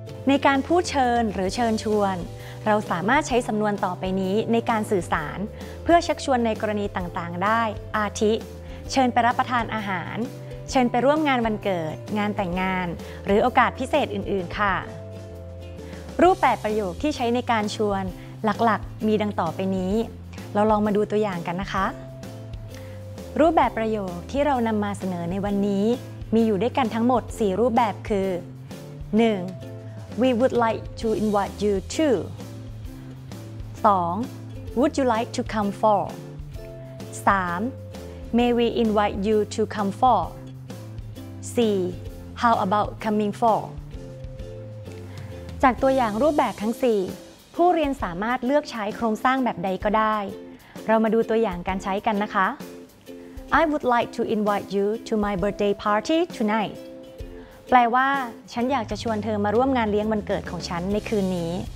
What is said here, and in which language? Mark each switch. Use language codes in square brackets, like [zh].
[th] ในการพูดเชิญหรือเชิญชวนเราสามารถใช้สำนวนต่อไปนี้ในการสื่อสารเพื่อชักชวนในกรณีต่างๆได้อาทิเชิญไปรับประทานอาหารเชิญไปร่วมงานวันเกิดงานแต่งงานหรือโอกาสพิเศษอื่นๆค่ะรูปแบบประโยคที่ใช้ในการชวนหลักๆมีดังต่อไปนี้เราลองมาดูตัวอย่างกันนะคะรูปแบบประโยคที่เรานำมาเสนอในวันนี้มีอยู่ด้วยกันทั้งหมด4รูปแบบคือ 1. [en] We would like to invite you to 2. Would you like to come for 3. May we invite you to come for 4. How about coming for [th] จากตัวอย่างรูปแบบทั้ง4ผู้เรียนสามารถเลือกใช้โครงสร้างแบบใดก็ได้เรามาดูตัวอย่างการใช้กันนะคะ [en] I would like to invite you to my birthday party tonight [th] แปลว่าฉันอยากจะชวนเธอมาร่วมงานเลี้ยงวันเกิดของฉันในคืนนี้